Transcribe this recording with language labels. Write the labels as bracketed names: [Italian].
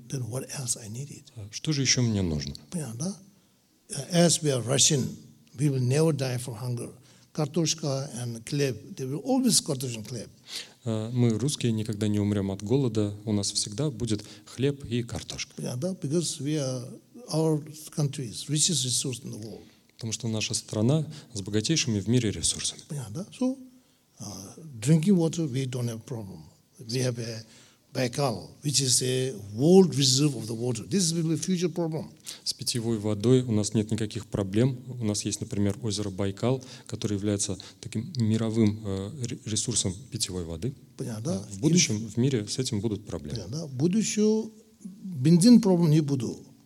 [English] Then what else I needed? [Russian] Что же еще мне нужно? Понятно, да? [English] As we are Russian, we will never die from hunger. Картошка and хлеб, they will always картошка and хлеб. [Russian] Мы, русские, никогда не умрем от голода. У нас всегда будет хлеб и картошка. Понятно, да? [English] Because we are our country's richest resource in the world. [Russian] Потому что наша страна с богатейшими в мире ресурсами. Понятно, да? [English] So, drinking water, we don't have problem. We have a Baikal, which is a world reserve of the water. This will be a future problem. [Russian] С питьевой водой у нас нет никаких проблем. У нас есть, например, озеро Байкал, которое является таким мировым ресурсом питьевой воды. Понятно, да? В будущем в мире с этим будут проблемы. Понятно, да? В будущем бензин проблем не буду.